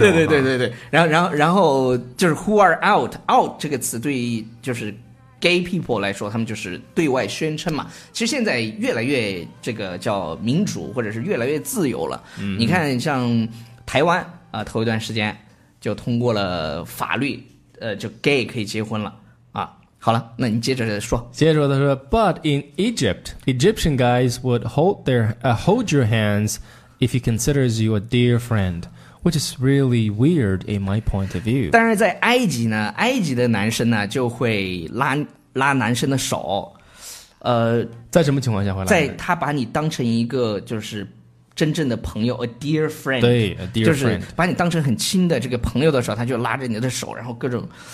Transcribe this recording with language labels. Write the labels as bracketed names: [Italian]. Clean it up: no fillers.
[Chinese] 对对对对对。然后就是 [English] who are out， out [Chinese] 这个词对于就是 gay people 来说，他们就是对外宣称嘛。其实现在越来越这个叫民主，或者是越来越自由了。嗯、你看像台湾啊、头一段时间就通过了法律，就 gay 可以结婚了。好了，那你接着说。接着说，他说 [English] ，But in Egypt, Egyptian guys would hold your hands if he considers you a dear friend, which is really weird in my point of view. [Chinese] 但是在埃及呢，埃及的男生呢就会拉男生的手，在什么情况下会拉？在他把你当成一个就是真正的朋友 ， [English] a dear friend， [Chinese] 对 [English] ，a dear friend， [Chinese] 就是把你当成很亲的这个朋友的时候，他就拉着你的手，然后各种。